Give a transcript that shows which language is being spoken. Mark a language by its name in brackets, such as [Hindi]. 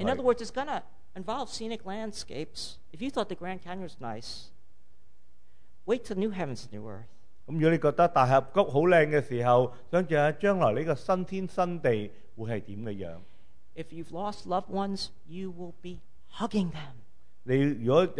[English] In other words, it's gonna involve scenic landscapes. If you thought the Grand Canyon was nice, wait till new heavens, new earth. [Cantonese] 咁如果你觉得大峡谷好靓嘅时候，想象下将来呢个新天新地会系点嘅样？ [English] If you've lost loved ones, you will be hugging them.